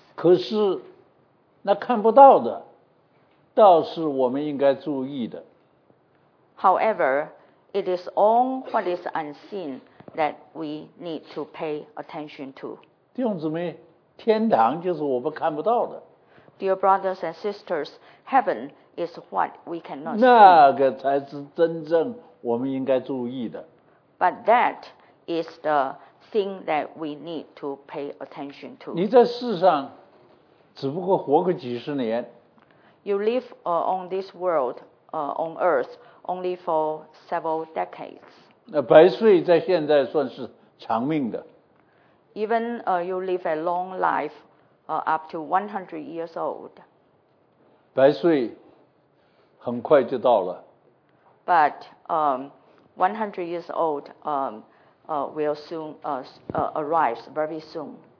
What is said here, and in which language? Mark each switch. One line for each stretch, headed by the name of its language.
Chinese: 可是，那看不到的，倒是我们应该注意的。
English: However, it is on what is unseen. That we need to pay attention to.
Chinese: 弟兄姊妹，天堂就是我们看不到的。
English: Dear brothers and sisters, heaven is what we cannot see.
Chinese: 那个才是真正我们应该注意的。
English: But that is the thing that we need to pay attention to.
Chinese: 你在世上只不过活个几十年。
English: You live on this world, on earth, only for several decades.
Chinese: 那百岁在现在算是长命的。
English: Even you live a long life, up to 100 years old.
Chinese: 百岁很快就到了。
English: But 100 years old will soon arrives very soon.